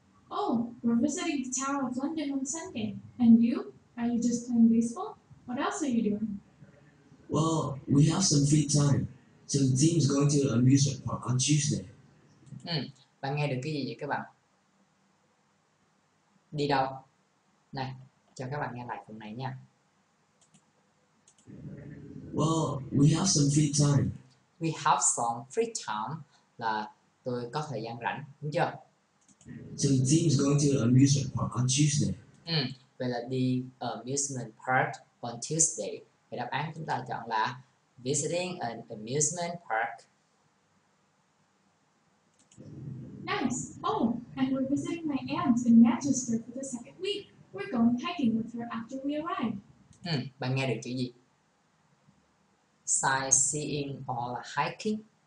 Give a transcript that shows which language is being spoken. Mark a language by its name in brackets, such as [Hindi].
[English] Oh, we're visiting the Tower of London on Sunday. And you? Are you just playing baseball? What else are you doing? Well, we have some free time. So the team's going to the amusement park on Tuesday. [Vietnamese] Bạn nghe được cái gì vậy các bạn? Đi đâu? Này, cho các bạn nghe lại phần này nha. [English] Well, we have some free time. We have some free time [Vietnamese] là tôi có thời gian rảnh, đúng chưa? [English] So the team's going to the amusement park on Tuesday. [Vietnamese] Vậy là đi [English] amusement park on Tuesday. [Vietnamese] Vậy đáp án chúng ta chọn là [English] visiting an amusement park. Nice! Oh, and we're visiting my aunt in Manchester for the second week. We're going hiking with her after we arrive. [Vietnamese] Bạn nghe được chữ gì? [English] Sightseeing or hiking?